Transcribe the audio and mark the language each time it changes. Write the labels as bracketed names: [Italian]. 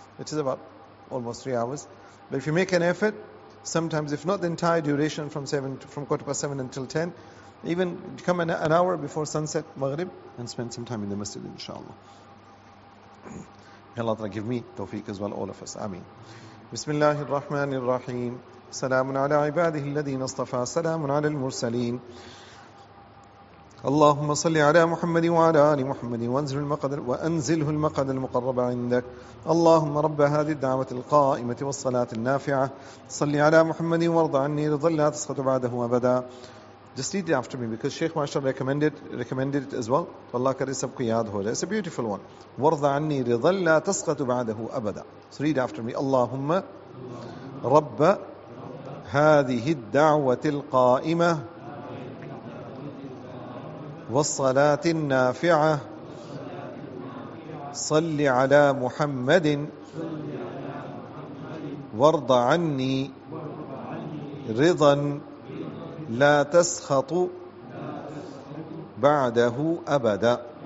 [English] Which is about almost 3 hours. But if you make an effort, sometimes if not the entire duration from 7 to, from quarter past 7 until 10, even come an hour before sunset, Maghrib, and spend some time in the masjid, inshallah. May Allah give me tawfiq as well, all of us. Ameen. [Arabic] بسم الله الرحمن الرحيم سلام على عباده الذين اصطفى سلام على المرسلين اللهم صل على محمد وعلى آل محمد وأنزله المقعد المقرب عندك اللهم رب هذه الدعوة القائمة والصلاة النافعة صل على محمد وارض عني رضا لا تسخط بعده أبدا. [English] Just read it after me, because Shaykh Mashallah recommended it as well. [Urdu] Allah karisab qiyad hoja. [English] It's a beautiful one. [Arabic] وَرْضَ عَنِّي رِضًا لَا تَسْقَتُ بَعْدَهُ أَبَدًا. [English] So read after me. [Arabic] اللهم رب هذه الدعوة القائمة والصلاة النافعة صل على محمد وارض عني رضا لا تسخط بعده أبدا.